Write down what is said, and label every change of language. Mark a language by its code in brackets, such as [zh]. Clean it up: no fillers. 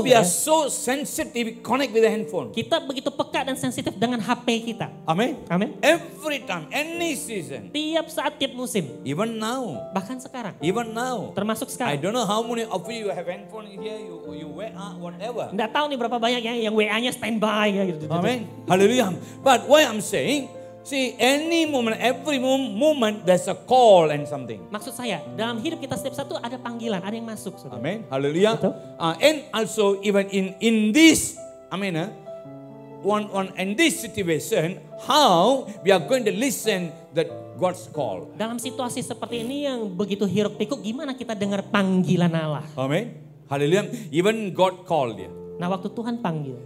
[en] So we are so sensitive connect with the handphone. [id] Kita begitu peka dan sensitif dengan HP kita. Amen. Amen. [en] Every time, any season. [id] Tiap saat, tiap musim. [en] Even now. [id] Bahkan sekarang. [en] Even now. [id] Termasuk sekarang. [en] I don't know how many of you have handphone here, you WA whatever. [id] Enggak tahu nih berapa banyak ya yang WA-nya standby ya gitu. Amen. Hallelujah. [en] But why I'm saying, see any moment, every moment there's a call and something. [id] Maksud saya, dalam hidup kita setiap satu ada panggilan, ada yang masuk. Saudara. Amen. Hallelujah. [en] And also even in this, in this situation, how we are going to listen that God's call. [id] Dalam situasi seperti ini yang begitu hiruk pikuk, gimana kita dengar panggilan Allah? [en] Amen. Hallelujah. Even God called you. [id] Nah, waktu Tuhan panggil.